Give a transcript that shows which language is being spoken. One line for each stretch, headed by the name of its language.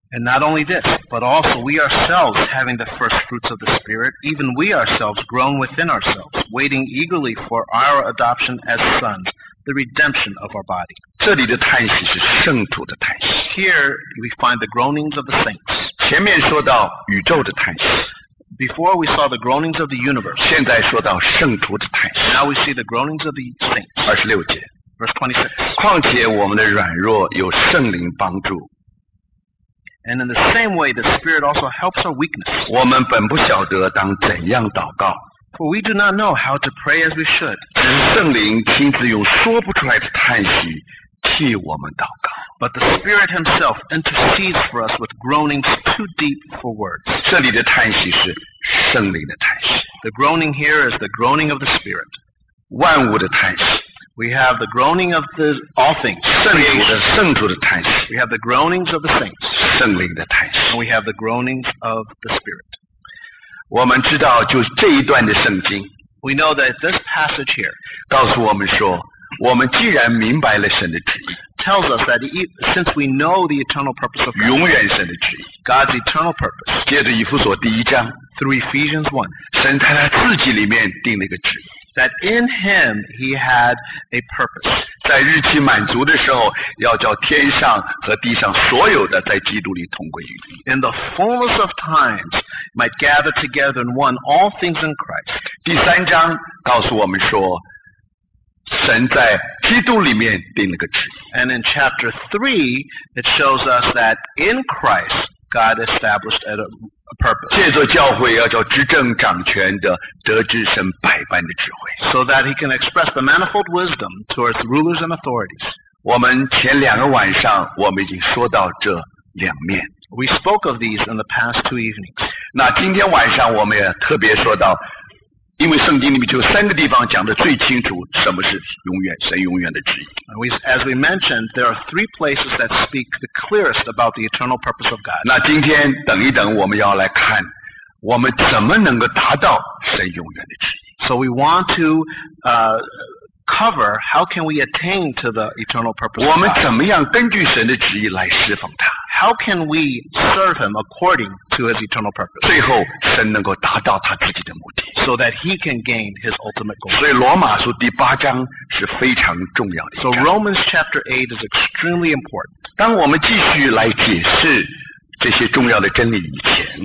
English: And not only this, but also we ourselves having the first fruits of the Spirit, even we ourselves groan within ourselves, waiting eagerly for our adoption as sons. The redemption of our body.
Chinese: 这里的叹息是圣徒的叹息。
English: Here we find the groanings of the saints.
Chinese: 前面说到宇宙的叹息。
English: Before we saw the groanings of the universe.
Chinese: 现在说到圣徒的叹息。
English: Now we see the groanings of the saints.
Chinese: 26节。
English: Verse 26.
Chinese: 况且我们的软弱有圣灵帮助。
English: And in the same way, the Spirit also helps our weakness.
Chinese: 我们本不晓得当怎样祷告。
English: For we do not know how to pray as we should.
Chinese: 只是圣灵亲自用说不出来的叹息替我们祷告。
English: But the Spirit himself intercedes for us with groanings too deep for words.
Chinese: 这里的叹息是圣灵的叹息。
English: The groaning here is the groaning of the Spirit.
Chinese: 万物的叹息。
English: We have the groaning of the all things.
Chinese: 圣徒的叹息。
English: We have the groanings of the saints.
Chinese: 圣灵的叹息。
English: And we have the groanings of the Spirit.
Chinese: 我们知道就是这一段的圣经
English: We know that this passage here
Chinese: 告诉我们说我们既然明白了神的旨意
English: tells us that since we know the eternal purpose of God
Chinese: 永远神的旨意
English: God's eternal purpose
Chinese: 接着以弗所第一章
English: through Ephesians 1
Chinese: 神在他自己里面定了一个旨意
English: that in him he had a purpose
Chinese: 在日期满足的时候要叫天上和地上所有的在基督里同归于一
English: in the fullness of timesmight gather together in one all things in Christ.
Chinese: 第三章告诉我们说神在基督里面定了个旨意。
English: And in chapter 3, it shows us that in Christ, God established a purpose.
Chinese: 借着教会要叫执政掌权的得知神百般的智慧。
English: So that he can express the manifold wisdom towards rulers and authorities.
Chinese: 我们前两个晚上我们已经说到这两面。
English: We spoke of these in the past two evenings.
Chinese: 那今天晚上我们也特别说到，因为圣经里面就三个地方讲的最清楚，什么是永远，神永远的旨意。
English: As we mentioned, there are three places that speak the clearest about the eternal purpose of God.
Chinese: 那今天等一等，我们要来看，我们怎么能够达到神永远的旨意。
English: So we want to cover how can we attain to the eternal purpose of God.
Chinese: 我们怎么样根据神的旨意来侍奉他。
English: How can we serve him according to his eternal purpose?
Chinese: 最后神能够达到他自己的目的。
English: So that he can gain his ultimate goal.
Chinese: 所以罗马书第八章是非常重要的。
English: So Romans chapter 8 is extremely important.
Chinese: 当我们继续来解释这些重要的真理以前，